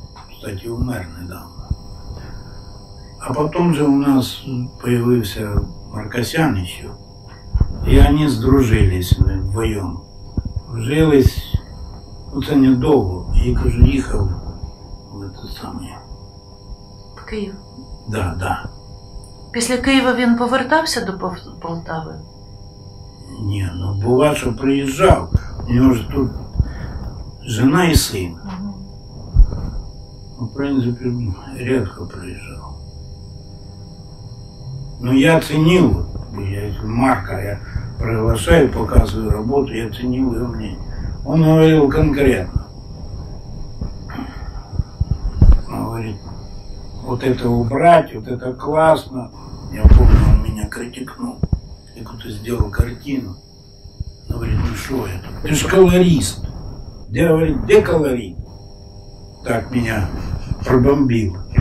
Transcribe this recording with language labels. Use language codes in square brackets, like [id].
[ru] кстати, умер недавно, а потом же у нас появился Маркосян еще, и они сдружились вдвоем, вжились, ну, это недолго, я говорю, ехал в это самое. [uk] Київ? [ru] Да, да. [uk] Після Києва він повертався до Полтави? Ні, ну бува, що приїжджав. У нього ж тут жена і син. Угу. В принципі, рідко приїжджав. Ну я цінив, я Марка, я приглашаю, показую роботу, я цінив його мені. Він говорив конкретно. [ru] Говорить, вот это убрать, вот это классно. Я помню, он меня критикнул. Я как-то сделал картину. Он говорит, ну что это? Ты же колорист. Я говорю, где колорит? Так меня пробомбил.